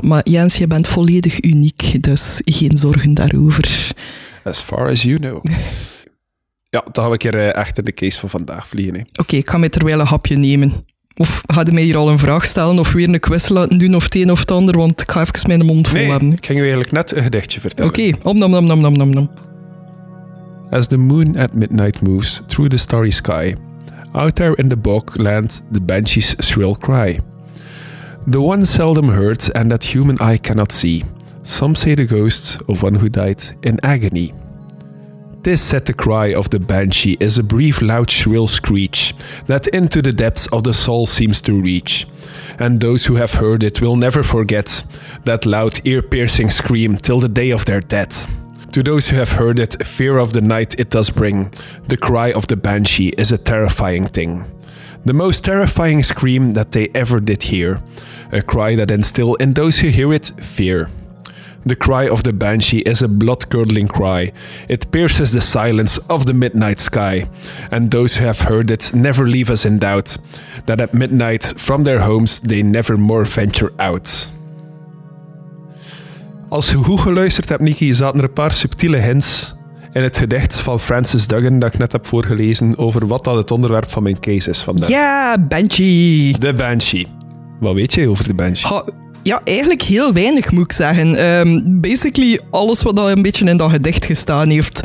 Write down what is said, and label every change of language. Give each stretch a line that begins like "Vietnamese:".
Dutch: Maar Jens, je bent volledig uniek, dus geen zorgen daarover.
English: As far as you know.
Dutch: Ja, dan gaan we een keer echt in de case van vandaag vliegen. Oké, ik ga mij terwijl een hapje nemen. Of ga je mij hier al een vraag stellen of weer een quiz laten doen of het een of het ander, want ik ga even mijn mond vol hebben. Ik ging je eigenlijk net een gedichtje vertellen. Oké, om.
English: As the moon at midnight moves through the starry sky, out there in the bog land, the banshee's shrill cry. The one seldom heard and that human eye cannot see. Some say the ghost of one who died in agony. This, said the cry of the banshee, is a brief, loud, shrill screech that into the depths of the soul seems to reach. And those who have heard it will never forget that loud, ear-piercing scream till the day of their death. To those who have heard it, fear of the night it does bring. The cry of the banshee is a terrifying thing. The most terrifying scream that they ever did hear. A cry that instills in those who hear it, fear. The cry of the banshee is a blood-curdling cry. It pierces the silence of the midnight sky. And those who have heard it never leave us in doubt. That at midnight, from their homes, they never more venture out.
Dutch: Als je goed geluisterd hebt, Nicky, zaten er een paar subtiele hints in het gedicht van Francis Duggan dat ik net heb voorgelezen over wat dat het onderwerp van mijn case is vandaag. Ja, Banshee. De Banshee. Wat weet jij over de Banshee? Ja, eigenlijk heel weinig, moet ik zeggen. Basically, alles wat al een beetje in dat gedicht gestaan heeft.